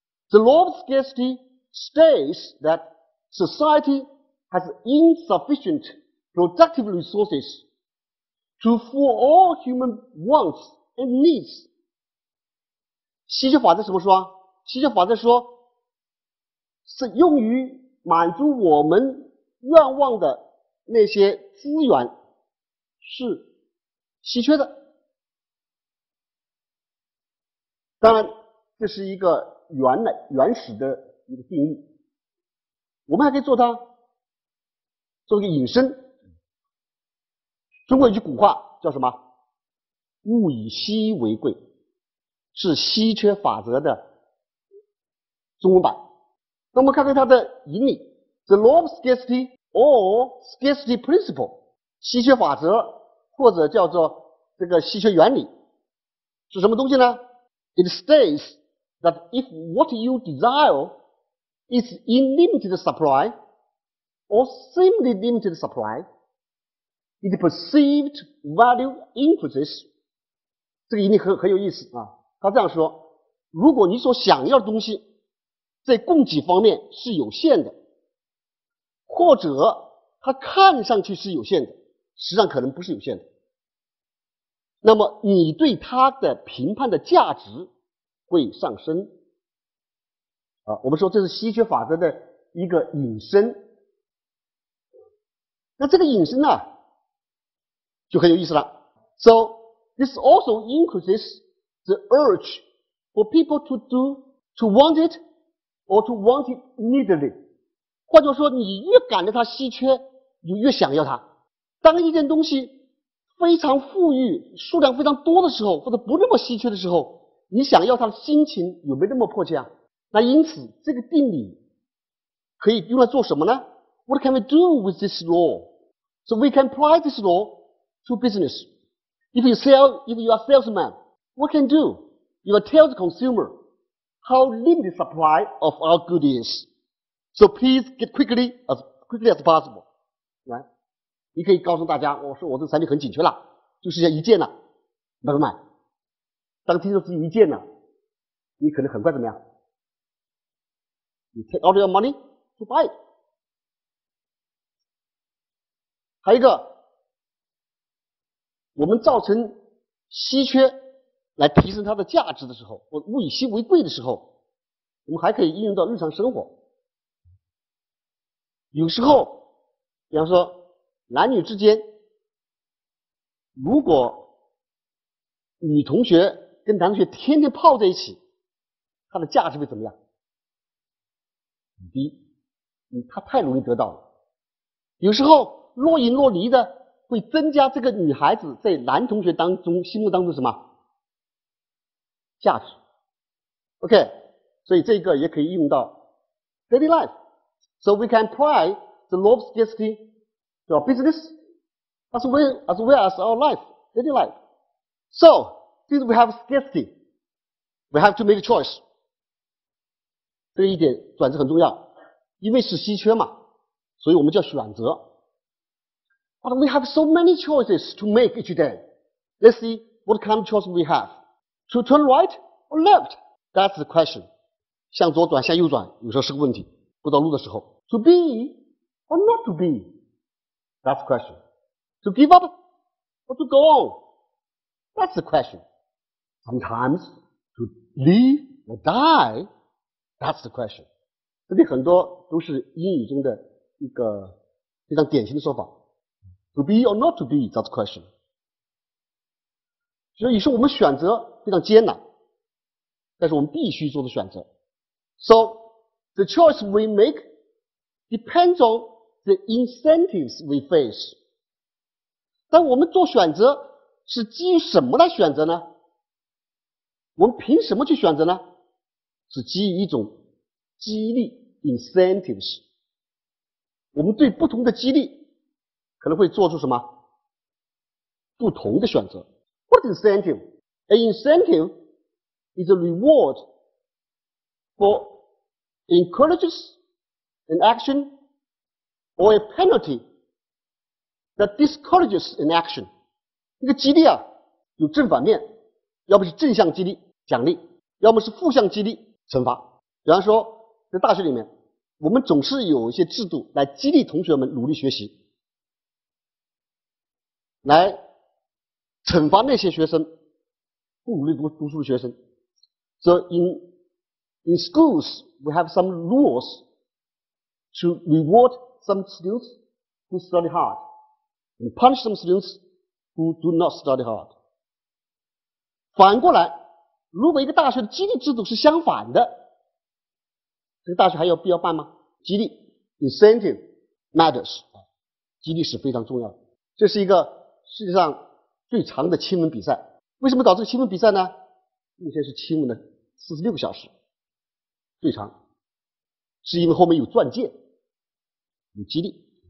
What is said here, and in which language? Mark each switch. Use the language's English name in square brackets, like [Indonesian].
[English] The law of scarcity states that society has insufficient productive resources to fulfill all human wants and needs. [Chinese] 稀缺法则什么说？稀缺法则说是用于满足我们愿望的那些资源是稀缺的。当然这是一个原始的一个定义，我们还可以做它做一个引申。中国有句古话叫什么？物以稀为贵，是稀缺法则的中文版。那我们看看它的引理， [English] The law of scarcity or scarcity principle， [Chinese] 稀缺法则或者叫做这个稀缺原理是什么东西呢？ [English] It states that if what you desire is in limited supply or seemingly limited supply, its perceived value increases. [Chinese] 这个引力 很有意思啊！他这样说，如果你所想要的东西在供给方面是有限的，或者它看上去是有限的，实际上可能不是有限的，那么你对它的评判的价值会上升。啊，我们说这是稀缺法则的一个引申。那这个引申呢，就很有意思了。 [English] So this also increases the urge for people to want it or to want it neededly. [Chinese] 换句话说，你越感觉它稀缺，你越想要它。当一件东西非常富裕、数量非常多的时候，或者不那么稀缺的时候，你想要它的心情有没有那么迫切啊？那因此这个定理可以用来做什么呢？ [English] What can we do with this law? So we can apply this law to business. If you are a salesman, what can you do? You will tell the consumer how limited the supply of our good is. So please get quickly as possible. Right? [Chinese] 你可以告诉大家，我说我这个产品很紧缺了，就是要一件了，买不买？当听说只有一件了，你可能很快怎么样？你 [English] take out your money to buy it. [Chinese] 还有一个，我们造成稀缺来提升它的价值的时候，或物以稀为贵的时候，我们还可以应用到日常生活。有时候比方说男女之间，如果女同学跟男同学天天泡在一起，它的价值会怎么样？很低，它太容易得到了。有时候若隐若离的会增加这个女孩子在男同学当中心目当中什么价值。 OK， 所以这个也可以用到 [English] daily life. So we can apply the law of scarcity to our business as well as our life, daily life. So since we have scarcity, we have to make a choice. [Chinese] 这一点转折很重要，因为是稀缺嘛，所以我们就要选择。 [English] But we have so many choices to make each day. Let's see what kind of choice we have. To turn right or left? That's the question. 向左转向右转有时候是个问题，不知道路的时候。 To be or not to be? That's the question. To give up or to go on? That's the question. Sometimes to live or die? That's the question. [Chinese] 这里很多都是英语中的一个非常典型的说法。 [English] To be or not to be, that's the question. [Chinese] 所以说我们选择非常艰难，但是我们必须做的选择。 [English] So, the choice we make depends on the incentives we face. [Chinese] 但我们做选择是基于什么来选择呢？我们凭什么去选择呢？是基于一种激励 incentives。我们对不同的激励可能会做出什么不同的选择。 [English] What incentive? An incentive is a reward for encourages an action or a penalty that discourages an action. [Chinese] 这个激励啊有正反面，要么是正向激励奖励，要么是负向激励惩罚。比方说在大学里面，我们总是有一些制度来激励同学们努力学习，来惩罚那些学生不努力读书的学生。 [English] So in schools we have some rules to reward some students who study hard and punish some students who do not study hard. [Chinese] 反过来，如果一个大学的激励制度是相反的，这个大学还有必要办吗？激励 [English] incentive matters， [Chinese] 激励是非常重要的。这是一个世界上最长的亲吻比赛。为什么搞这个亲吻比赛呢？目前是亲吻的46小时最长，是因为后面有钻戒有激励。